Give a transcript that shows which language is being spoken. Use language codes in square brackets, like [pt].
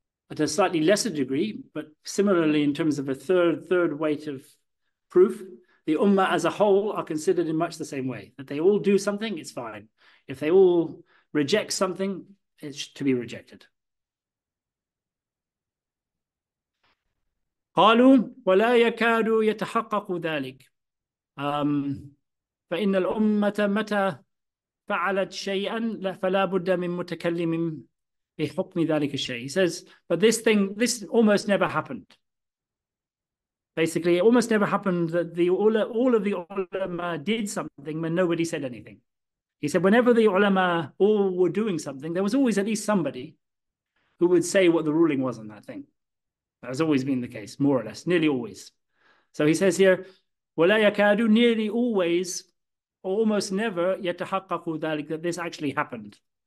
[en] At a slightly lesser degree, but similarly in terms of a third weight of proof, the ummah as a whole are considered in much the same way. That they all do something, it's fine. If they all reject something, it's to be rejected. [ar] قَالُوا وَلَا يَكَادُ يَتَحَقَّقُ ذَلِكَ فَإِنَّ الْأُمَّةَ مَتَى فَعَلَتْ شَيْئًا فَلَا بُدَّ مِنْ مُتَكَلِّمٍ بِحُكْمِ ذَلِكَ الشَّيْءِ. [en] He says, but this almost never happened. Basically, it almost never happened that all of the ulama did something when nobody said anything. He said, whenever the ulama all were doing something, there was always at least somebody who would say what the ruling was on that thing. That has always been the case, more or less, nearly always. So he says here, [ar] وَلَا يَكَادُ, [en] nearly always, or almost never, [ar] يَتَحَقَّقُ ذَلِكَ, [en] that this actually happened.